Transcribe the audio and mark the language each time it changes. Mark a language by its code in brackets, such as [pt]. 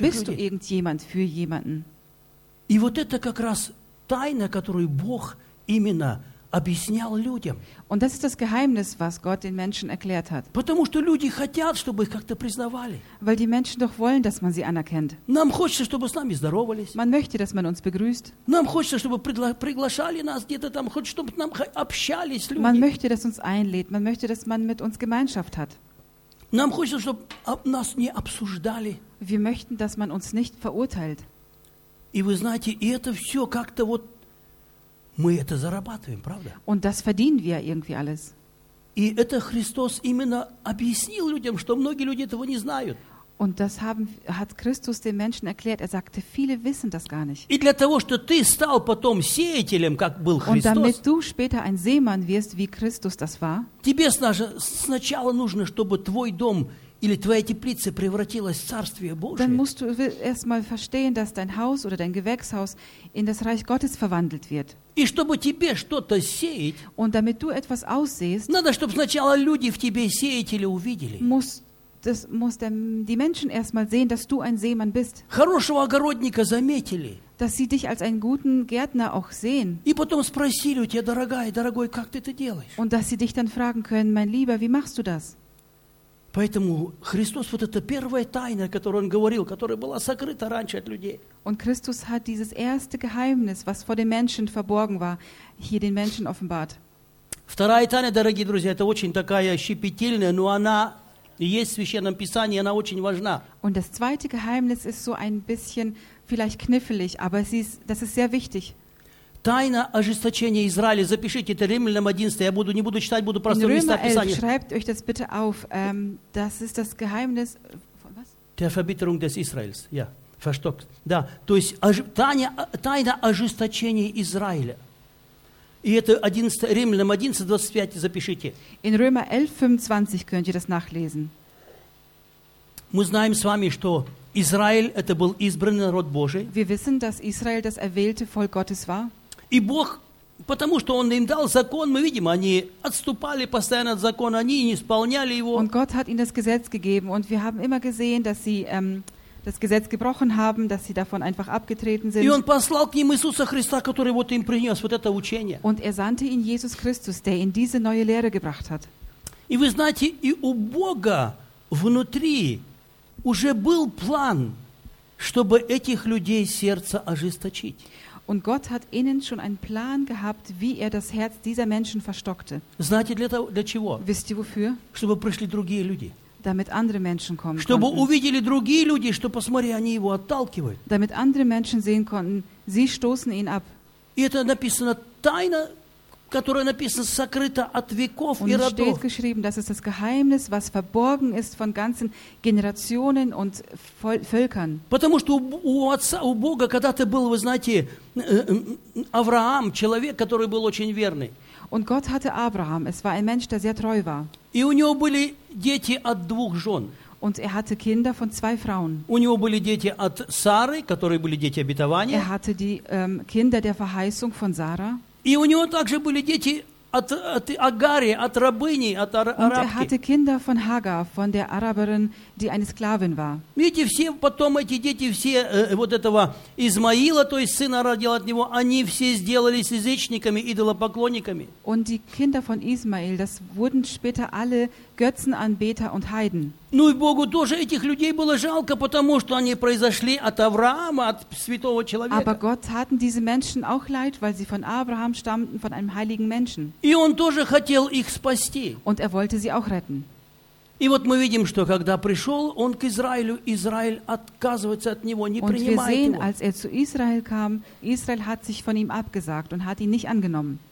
[de] Und dann bist du irgendjemand für jemanden. [ru] И вот это как раз тайна, которую Бог именно объяснял людям. [de] Und das ist das Geheimnis, was Gott den Menschen erklärt hat. [ru] Потому что люди хотят, чтобы их как-то признавали. [de] Weil die Menschen doch wollen, dass man sie anerkennt. [ru] Нам хочется, чтобы с нами здоровались. [de] Man möchte, dass man uns begrüßt. [ru] Нам хочется, чтобы приглашали нас где-то там, хоть чтобы нам общались люди. [de] Man möchte, dass uns einlädt. Man möchte, dass man mit uns Gemeinschaft hat. [ru] Нам хочется, чтобы нас не обсуждали. [de] Wir möchten, dass man uns nicht verurteilt. [ru] И вы знаете, и это все как-то вот мы это зарабатываем, правда? [de] Und das verdienen wir irgendwie alles. [ru] И это Христос именно объяснил людям, что многие люди этого не знают. [de] Und das hat Christus den Menschen erklärt. Er sagte, viele wissen das gar nicht. [ru] И для того, что ты стал потом сеятелем, как был Христос. [de] Und damit du später ein Seemann wirst, wie Christus das war. [ru] Тебе сначала нужно, чтобы твой дом или твоя теплица превратилась в Царствие Божие. [de] Dann musst du erstmal verstehen, dass dein Haus oder dein Gewächshaus in das Reich Gottes verwandelt wird. [ru] И чтобы тебе что-то сеять, [de] und damit du etwas aussehst, [ru] надо, чтобы сначала люди в тебе сеятеля увидели. [de] Die Menschen erstmal sehen, dass du ein Seemann bist. [ru] Хорошего огородника заметили. [de] Dass sie dich als einen guten Gärtner auch sehen. [ru] И потом спросили у тебя, дорогая, дорогой, как ты это делаешь? [de] Und dass sie dich dann fragen können, mein Lieber, wie machst du das? [ru] Поэтому Христос вот эта первая тайна, которую он говорил, которая была сокрыта раньше от людей. [de] Und Christus hat dieses erste Geheimnis, was vor den Menschen verborgen war, hier den Menschen offenbart. [ru] Вторая тайна, дорогие друзья, это очень такая щепетильная, но она есть в Священном Писании, она очень важна. [de] Und das zweite Geheimnis ist so ein bisschen vielleicht knifflig, aber das ist sehr wichtig. [ru] Тайна ожесточения Израиля. Запишите это Римлянам 11. Я буду, не буду читать, буду просто места писания. [de] Schreibt euch das bitte auf. Das ist das Geheimnis von was? Der Verbitterung des Israels. Ja, verstockt. [ru] Да, то есть тайна ожесточения Израиля. И это 11, Римлянам 11, 25, запишите. [de] In Römer 11, 25 könnt ihr das nachlesen. [ru] Мы знаем с вами, что Израиль – это был избранный народ Божий. [de] Wir wissen, dass Israel das erwählte Volk Gottes war. [ru] И Бог, потому что Он им дал закон, мы видим, они отступали постоянно от закона, они не исполняли его. [de] Und Gott hat ihnen das Gesetz gegeben und wir haben immer gesehen, dass sie das Gesetz gebrochen haben, dass sie davon einfach abgetreten sind. [ru] И Он послал к ним Иисуса Христа, который вот им принес вот это учение. [de] Und er sandte ihnen Jesus Christus, der ihnen diese neue Lehre gebracht hat. [ru] И вы знаете, и у Бога внутри уже был план, чтобы этих людей сердце ожесточить. [de] Und Gott hat innen schon einen Plan gehabt, wie er das Herz dieser Menschen verstockte. [ru] Знаете, для того, для чего? [de] Wisst ihr wofür? [ru] Чтобы пришли другие люди. [de] Damit andere Menschen kommen [ru] чтобы [de] konnten. [ru] Увидели другие люди, что посмотри, они его отталкивают. [de] Damit andere Menschen sehen konnten, sie stoßen ihn ab. [ru] И это написано тайна, которая написана сокрыта от веков [de] und [ru] и родов. [de] Und steht geschrieben, das ist das Geheimnis, was verborgen ist von ganzen Generationen und Völkern. [ru] Потому что у отца, у Бога когда-то был, вы знаете, Авраам, человек, который был очень верный. [de] Und Gott hatte Abraham, es war ein Mensch, der sehr treu war. [ru] И у него были дети от двух жен. [de] Und er hatte Kinder von zwei Frauen. [ru] У него были дети от Сары, которые были дети обетования. [de] Er hatte die Kinder der Verheißung von Sarah. [ru] И у него также были дети от, от Агари, от рабыни, от арабки. [de] Und er hatte Kinder von Hagar, von der Araberin, die eine Sklavin war. [ru] Видите, все, потом эти дети все вот этого Измаила, то есть сына родил от него, они все сделались язычниками, идолопоклонниками. [de] Und die Kinder von Ismael, das wurden später alle Götzenanbeter und Heiden. [ru] Ну и Богу тоже этих людей было жалко, потому что они произошли от Авраама, от святого человека. [de] Aber Gott taten diese Menschen auch leid, weil sie von Abraham stammten, von einem heiligen Menschen. [ru] И Он тоже хотел их спасти. [de] Und er wollte sie auch retten. [ru] И вот мы видим, что когда пришел Он к Израилю, Израиль отказывается от Него, не [de] und [ru] принимает [de] wir sehen, [ru] Его. [de] Als er zu Israel kam, Israel hat sich von ihm abgesagt und hat ihn nicht angenommen.